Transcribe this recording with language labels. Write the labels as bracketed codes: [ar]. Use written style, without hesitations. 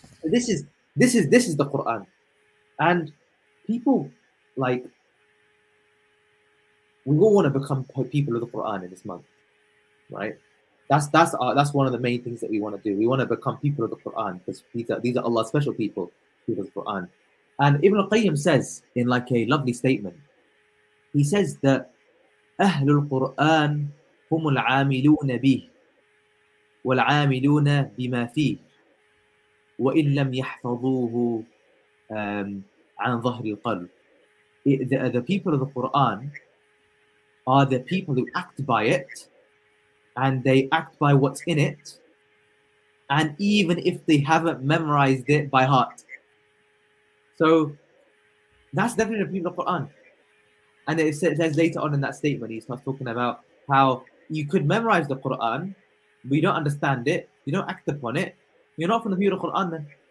[en] This is the Quran, and people like, we all want to become people of the Quran in this month, right? That's one of the main things that we want to do. We want to become people of the Quran because these are Allah's special people of the Quran. And Ibn al-Qayyim says in like a lovely statement, he says that [ar] أهل القرآن هم العاملون به والعاملون بما فيه وإن لم يحفظوه عن ظهر القلب. [en] The people of the Quran are the people who act by it, and they act by what's in it, and even if they haven't memorized it by heart. So that's definitely the people of the Quran. And it says later on in that statement, he starts talking about how you could memorize the Quran, but you don't understand it, you don't act upon it, you're not from the people of the Quran then.